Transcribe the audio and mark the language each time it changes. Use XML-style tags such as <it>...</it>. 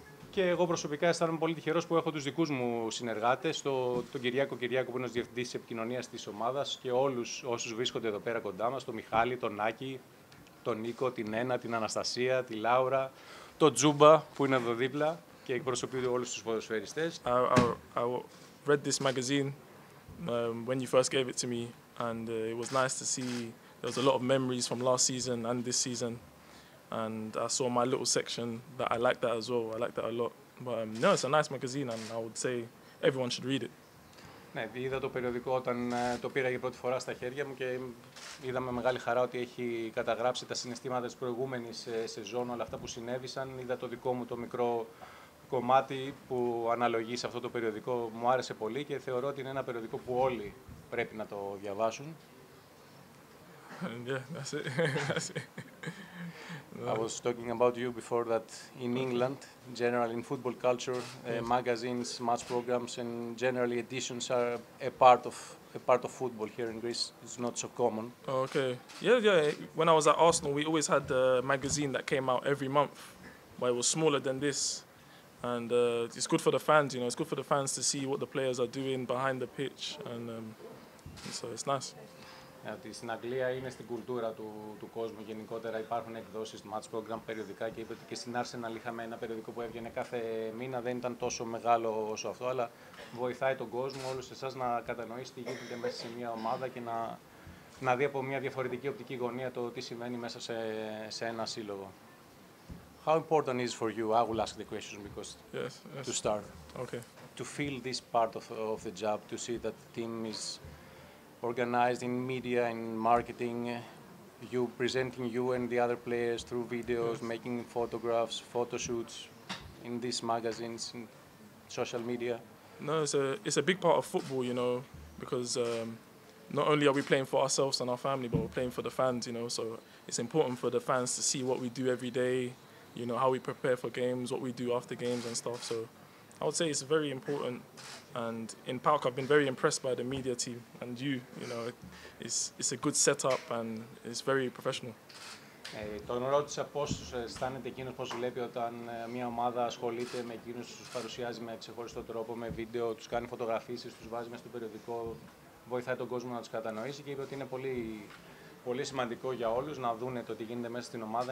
<el>Και εγώ προσωπικά αισθάνομαι πολύ τυχερός που έχω τους δικούς μου συνεργάτες, τον Κυριάκο Κυριάκο που είναι ο Διευθυντής Επικοινωνίας της ομάδας και όλους όσους βρίσκονται εδώ πέρα κοντά μας, τον Μιχάλη, τον Νάκη, τον Νίκο, την Ένα, την Αναστασία, τη Λάουρα, τον Τζούμπα που είναι εδώ δίπλα και εκπροσωπεί όλους τους ποδοσφαιριστές.</el> <en>I read this magazine when you first gave it to me and it was nice to see there was a lot of memories from last season and this season. And I saw my little section that I liked that as well. I liked that a lot. But no, it's a nice magazine and I would say everyone should read it.</en> <el>Ναι, είδα το περιοδικό όταν το πήρα για πρώτη φορά στα χέρια μου και είδα με μεγάλη χαρά ότι έχει καταγράψει τα συναισθήματα της προηγούμενης σεζόν, όλα αυτά που συνέβησαν. Είδα το δικό μου το μικρό κομμάτι που αναλογεί σε αυτό το περιοδικό. Μου άρεσε πολύ και θεωρώ ότι είναι ένα περιοδικό που όλοι πρέπει να το διαβάσουν.</el> <en>And yeah, that's it. That's it. I was talking about you before that in England, generally in football culture, magazines, match programs, and generally editions are a part of football. Here in Greece, it's not so common. Oh, okay. Yeah, yeah. When I was at Arsenal, we always had a magazine that came out every month, but it was smaller than this. And it's good for the fans, you know, it's good for the fans to see what the players are doing behind the pitch. And so it's nice.</en> <el>Γιατί στην Αγγλία είναι στην κουλτούρα του κόσμου γενικότερα. Υπάρχουν εκδόσεις, match program περιοδικά και είπε ότι και στην Arsenal είχαμε ένα περιοδικό που έβγαινε κάθε μήνα. Δεν ήταν τόσο μεγάλο όσο αυτό, αλλά βοηθάει τον κόσμο, όλους εσάς να κατανοήσει τι γίνεται μέσα σε μια ομάδα και να δει από μια διαφορετική οπτική γωνία το τι συμβαίνει μέσα σε ένα σύλλογο.</el> <en>How important is for you, I will ask the questions because yes. To start, okay. To feel this part of the job, to see that the team is organized in media and marketing, you presenting you and the other players through videos, yes. Making photographs, photo shoots in these magazines, in social media. No, it's a big part of football, you know, because not only are we playing for ourselves and our family, but we're playing for the fans, you know, so it's important for the fans to see what we do every day, you know, how we prepare for games, what we do after games and stuff. So I would say it's very important. And in PAOK, I've been very impressed by the media team and you. You know, it's a good setup and it's very professional.</en> <el>Τον ρώτησα πώς αισθάνεται εκείνος, πώς βλέπει όταν μια ομάδα ασχολείται με εκείνους, τους παρουσιάζει με ξεχωριστό τρόπο, με βίντεο, τους κάνει φωτογραφίσεις, τους βάζει μέσα στο περιοδικό, βοηθάει τον κόσμο να τους κατανοήσει και είπε ότι είναι πολύ, πολύ σημαντικό για όλους να δούνε το τι γίνεται μέσα στην ομάδα.</el>